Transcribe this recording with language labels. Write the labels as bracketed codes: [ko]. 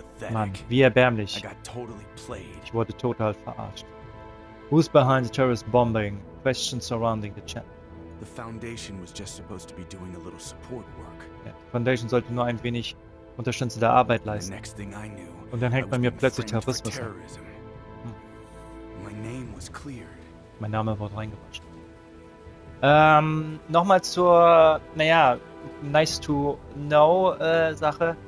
[de] Mann, wie erbärmlich. Ich wurde total verarscht. [en] Who's behind the terrorist bombing? Questions surrounding the chat. The Foundation was just supposed to be doing a little support work. [de] Ja, die Foundation sollte nur ein wenig unterstützende Arbeit leisten. Und dann hängt bei mir plötzlich Terrorismus an. [en] My name was cleared. [de] Mein Name wurde reingewaschen. Nochmal zur, naja, nice to know Sache.